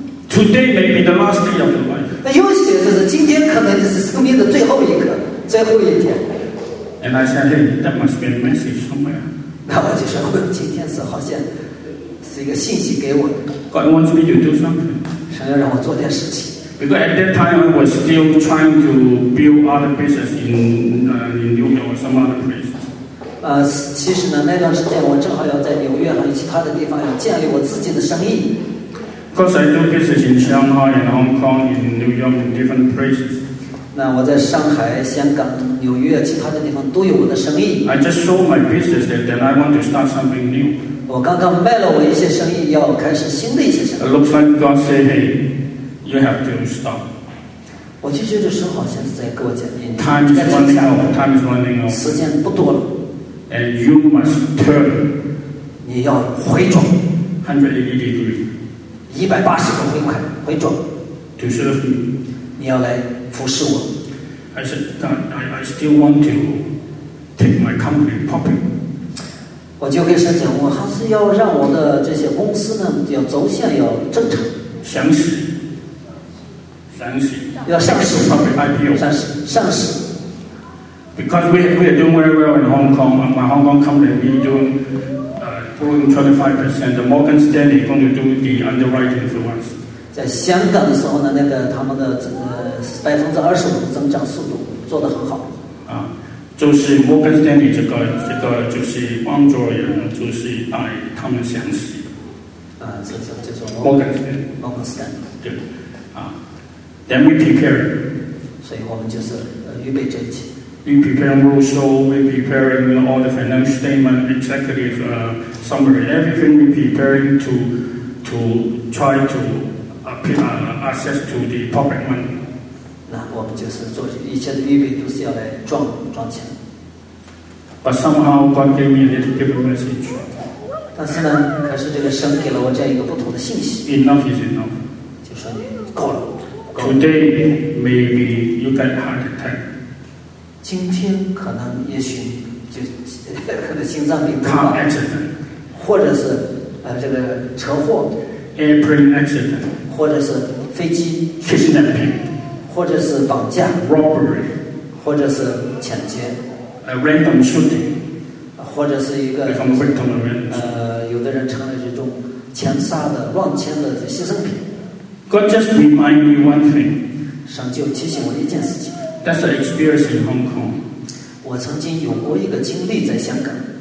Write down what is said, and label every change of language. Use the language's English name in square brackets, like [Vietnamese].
[English] Today may be the last day of your life. [Chinese] 那又写的是今天可能就是生命的最后一刻，最后一天。 [English] And I said, "Hey, that must be a message somewhere." [Chinese] 那我就说，今天是好像是一个信息给我的。 [English] God wants me to do something. [Chinese] 想要让我做点事情。 [English] Because at that time I was still trying to build other business in New York or some other place. [Chinese] 其实呢，那段时间我正好要在纽约和其他的地方要建立我自己的生意。 [English] Because I do business in Shanghai and Hong Kong, in New York, in different places. [Chinese] 那我在上海、香港、纽约其他的地方都有我的生意。 [English] I just sold my business and then I want to start something new. [Chinese] 我刚刚卖了我一些生意，要开始新的一些生意。 [English] It looks like God said, "Hey, you have to stop." [Chinese] 我就觉得神好像是在给我讲，你 [English] Time is running out. Time is running out. [Chinese] 时间不多了。 [English] And you must turn. [Chinese] 你要回转。 [English] 180 degrees. [Chinese] 180度回转，回转。 [English] To serve me. [Chinese] 你要来。服侍我。 [English] I said, I still want to take my company public. [Chinese] 我就跟神讲，我还是要让我的这些公司呢，要走向要正常。上市。上市。要上市。 [English] Public IPO。 [Chinese] 上市。上市。 [English] Because we are doing very well in Hong Kong, and my Hong Kong company is doing growing 25%. The Morgan Stanley is going to do the underwriting for us. [Chinese] 在香港的时候呢，那个他们的25%的增长速度做得很好。啊，就是 Morgan Stanley 这个就是帮助人，就是来他们详细。啊，这种 Morgan Stanley。对，啊 [English] ，then we prepare。 [Chinese] 所以我们就是预备这一期。 [English] We prepare brochure, we prepare all the financial statement, executive summary, everything we preparing to try to. Access to the public money. [Chinese] 那我们就是做一切的预备，都是要来赚钱。 [English] But somehow God gave me a little different message. [Chinese] 但是呢，可是这个神给了我这样一个不同的信息。 [English] Enough is enough. [Chinese] 就说你够了。 [English] Today maybe you get heart attack. [Chinese] 今天可能也许就可能心脏病。 [English] Car accident. [Chinese] 或者是这个车祸。 [English] Airplane accident. [Chinese] 或者是飞机 [English] kidnapping [Chinese] 或者是绑架 [English] robbery [Chinese] 或者是抢劫 [English] a random shooting [Chinese] 或者是一个 [English] become victim of violence [Chinese] 有的人成了这种枪杀的乱枪的牺牲品 [English] God just remind me one thing [Chinese] 神就提醒我一件事情 [English] That's an experience in Hong Kong [Chinese] 我曾经有过一个经历在香港